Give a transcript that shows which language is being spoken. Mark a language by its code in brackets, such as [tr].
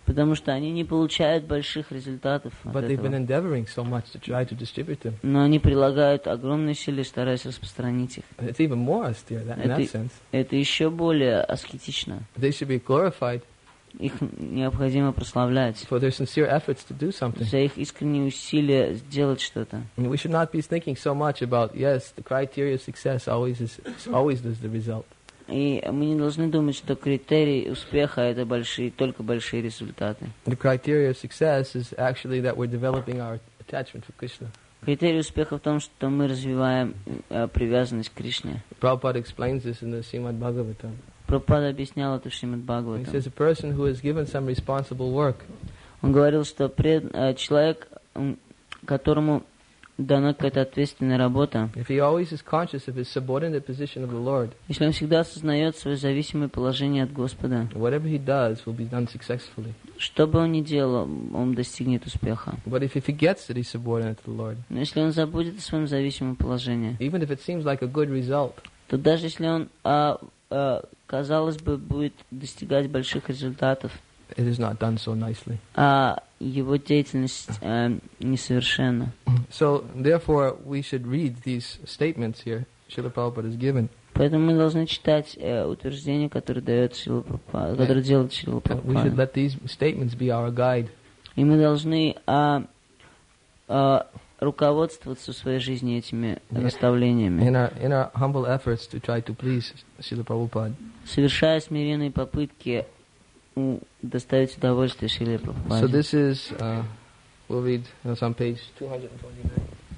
[ru] Потому что они не получают больших результатов. [en] But they've been endeavoring so much to try to distribute them. [ru] Но они прилагают огромные силы, стараясь распространить их. [en] It's even more austere in that sense. [ru] Это еще более аскетично. [en] They should be glorified. [ru] Их необходимо прославлять. [en] For their sincere efforts to do something. [ru] За их искренние усилия сделать что-то. [en] We should not be thinking so much about, yes, the criteria of success always is the result. [ru] И мы не должны думать, что критерий успеха это большие, только большие результаты. [en] The criteria of success is actually that we're developing our attachment for Krishna. [ru] Критерий успеха в том, что мы развиваем привязанность к Кришне. [en] Prabhupada explains this in the Srimad Bhagavatam. [ru] Прабхупада объяснял это Шримад Бхагаватам. [en] He says a person who has given some responsible work. [ru] Он говорил, что человек, которому дана какая-то ответственная работа. [en] If he always is conscious of his subordinate position of the Lord. [ru] Если он всегда осознает свое зависимое положение от Господа. [en] Whatever he does will be done successfully. [ru] Что бы он ни делал, он достигнет успеха. [en] But if he forgets that he's subordinate to the Lord. [ru] Но если он забудет о своем зависимом положении. [en] Even if it seems like a good result. [ru] То даже если он казалось бы, будет достигать больших результатов. [en] It is not done so nicely. [ru] А его деятельность несовершенна. [en] So, therefore, we should read these statements here, Srila Prabhupada has given. [ru] Поэтому мы должны читать утверждения, которые дает Шрила Прабхупада, которые делает Шрила Прабхупада. [en] We should let these statements be our guide. [ru] И мы должны руководствоваться в своей жизни этими наставлениями. [en] In our humble efforts to try to please Srila Prabhupada. [ru] Совершая смиренные попытки доставить удовольствие Шриле Прабхупаде. [en] So this is, we'll read on some page 229.